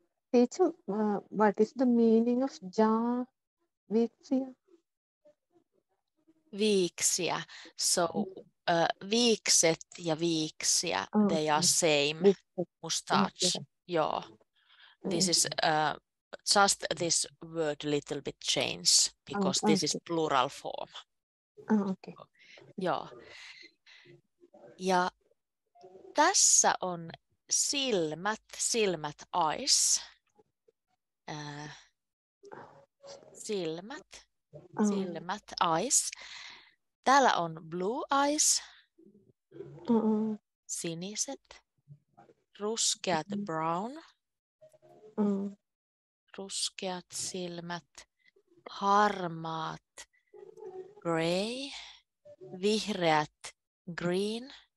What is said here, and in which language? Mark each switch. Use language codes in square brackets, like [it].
[en] Teacher, what is the meaning of jaa viiksiä? [fi] Viiksiä. [en] So, viikset ja viiksiä, they are same. Mustache. Joo. This is just this word little bit change because this is plural form. Okay. [fi] Joo. Ja tässä on silmät, silmät, eyes. Silmät, silmät, eyes. Täällä on blue eyes, siniset, ruskeat, brown, ruskeat silmät, harmaat, gray, vihreät, green.